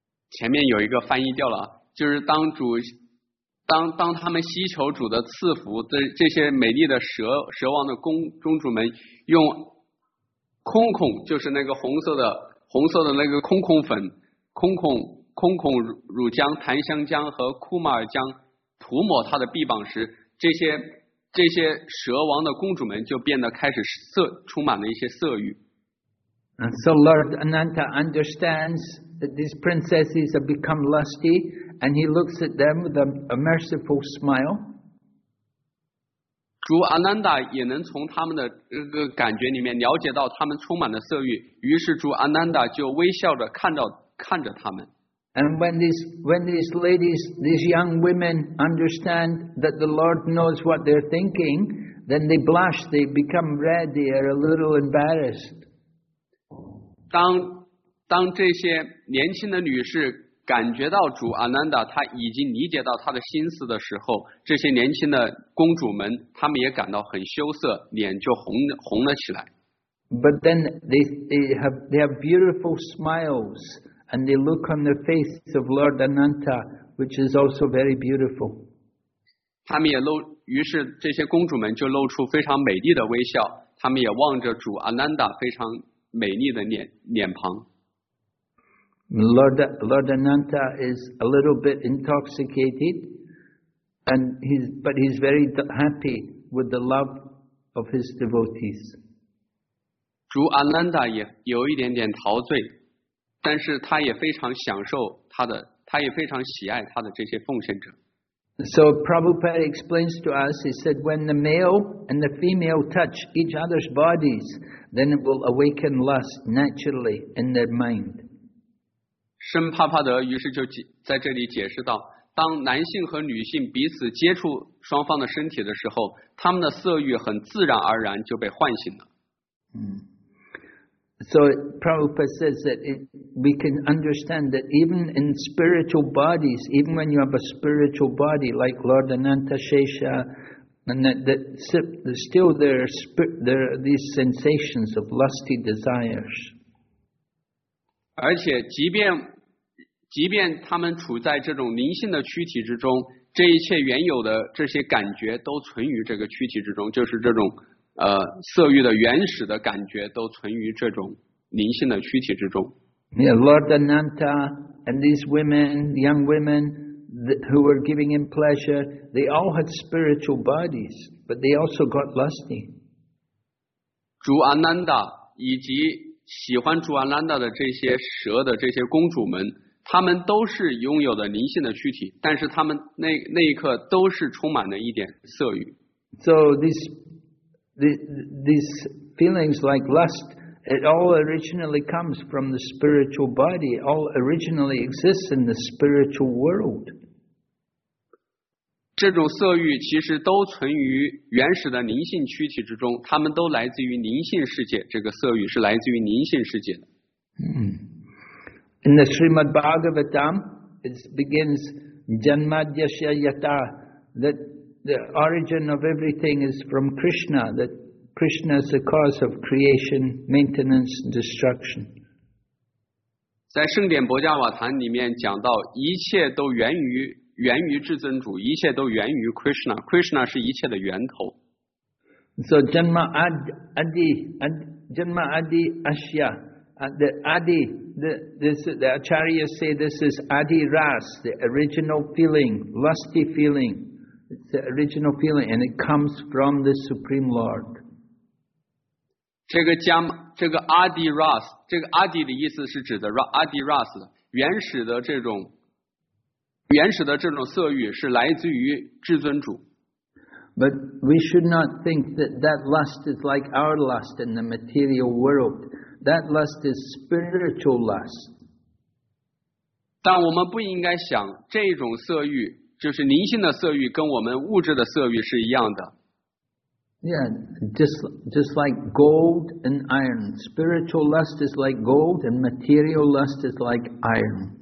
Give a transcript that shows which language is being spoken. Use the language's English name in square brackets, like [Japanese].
[Chinese] 前面有一个翻译掉了，就是当主。当他们希求主的赐福，这些美丽的蛇王的公主们用空孔，就是那个红色的那个空孔粉、空孔乳浆、檀香浆和库马尔浆涂抹他的臂膀时，这些蛇王的公主们就变得开始充满了一些色欲。 [English] And so Lord Ananta understands that these princesses have become lusty. And he looks at them with a merciful smile. [Chinese] 主阿难达也能从他们的这个感觉里面了解到他们充满了色欲，于是主阿难达就微笑着看着他们。 [English] And when these ladies, these young women, understand that the Lord knows what they're thinking, then they blush, they become red, they are a little embarrassed. [Chinese] 当这些年轻的女士感觉到主阿难达他已经理解到他的心思的时候，这些年轻的公主们他们也感到很羞涩，脸就红了起来。 [English] But then they have beautiful smiles and they look on the face of Lord Ananta, which is also very beautiful. [Chinese] 他们也露，于是这些公主们就露出非常美丽的微笑，他们也望着主阿难达非常美丽的脸庞。 [English] Lord Ananta is a little bit intoxicated, and he's very happy with the love of his devotees. [Chinese] 主阿难达也有一点点陶醉，但是他也非常享受他也非常喜爱他的这些奉献者。 [English] So Prabhupada explains to us, he said, when the male and the female touch each other's bodies, then it will awaken lust naturally in their mind. [Chinese] 圣帕帕德于是就在这里解释到，当男性和女性彼此接触双方的身体的时候，他们的色欲很自然而然就被唤醒了。 [English] So Prabhupada says that we can understand that even in spiritual bodies, even when you have a spiritual body like Lord Ananta Shesha, and that still there are these sensations of lusty desires. [Chinese] 而且即便他们处在这种灵性的躯体之中，这一切原有的这些感觉都存于这个躯体之中，就是这种色欲的原始的感觉都存于这种灵性的躯体之中。 [English] Yeah, Lord Ananta and these women, young women who were giving him pleasure, they all had spiritual bodies, but they also got lusty. [Chinese] 主阿难达以及喜欢主阿难达的这些蛇的这些公主们，她们都是拥有的灵性的躯体，但是她们那一刻都是充满了一点色欲。 [English] So these feelings like lust, it all originally comes from the spiritual body, all originally exists in the spiritual world. [Chinese] 这种色欲其实都存于原始的灵性躯体之中，它们都来自于灵性世界，这个色欲是来自于灵性世界的。 [English] In the Srimad Bhagavatam, it begins [Sanskrit] Janmadyasya Yata, [English] that the origin of everything is from Krishna, that Krishna is the cause of creation, maintenance, and destruction. [Chinese] 在圣典薄伽瓦坛里面讲到，一切都源于至尊主，一切都源于 Krishna, Krishna 是一切的源头。 [English] So [Sanskrit] Janma Adi Asya, [English] the Acharyas say this is Adi Ras, the original feeling, lusty feeling. It's the original feeling and it comes from the Supreme Lord. [Chinese] 这个 Adi Ras, 这个 Adi 的意思是指的 Adi Ras, 原始的这种色欲是来自于至尊主。 [English] But we should not think that lust is like our lust in the material world. That lust is spiritual lust. [Chinese] 但我们不应该想这种色欲，就是灵性的色欲，跟我们物质的色欲是一样的。 [English] Yeah, just like gold and iron. Spiritual lust is like gold and material lust is like iron.